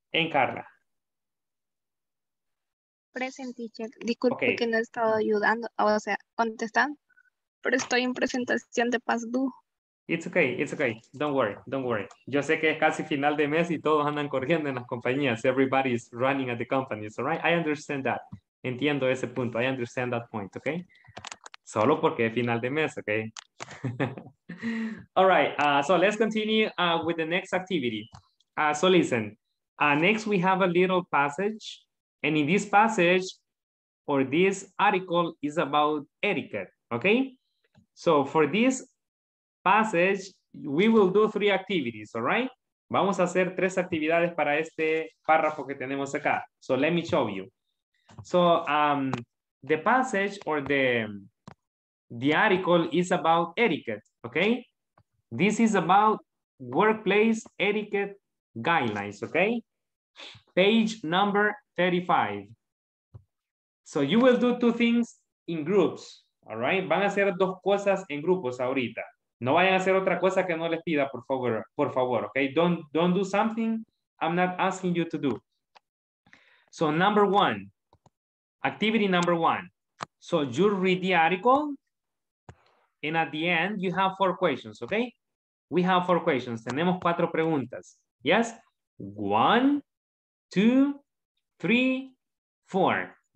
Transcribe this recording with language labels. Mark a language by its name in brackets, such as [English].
[English] And Carla? Present, teacher. [Spanish] Disculpe [English] okay. [Spanish] Que no he estado ayudando, o sea, contestando, pero estoy en presentación de Past Due. [English] It's okay, don't worry, don't worry. [Spanish] Yo sé que es casi final de mes y todos andan corriendo en las compañías. [English] Everybody's running at the companies, all right? I understand that. [Spanish] Entiendo ese punto, [English] I understand that point, okay? [Spanish] Solo porque es final de mes, [English] okay? All right, so let's continue with the next activity. So listen, next we have a little passage. And in this passage, or this article, is about etiquette, okay? So for this passage, we will do three activities, all right? [Spanish] Vamos a hacer tres actividades para este párrafo que tenemos acá. [English] So let me show you. So the passage or the article is about etiquette, okay? This is about workplace etiquette guidelines, okay? Page number 35. So you will do two things in groups, all right? [Spanish] Van a hacer dos cosas en grupos ahorita. No vayan a hacer otra cosa que no les pida, por favor, okay? [English] Don't do something I'm not asking you to do. So number one, activity number one. So you read the article, and at the end, you have four questions, okay? We have four questions. [Spanish] Tenemos cuatro preguntas, [English] yes? One, two, three, four.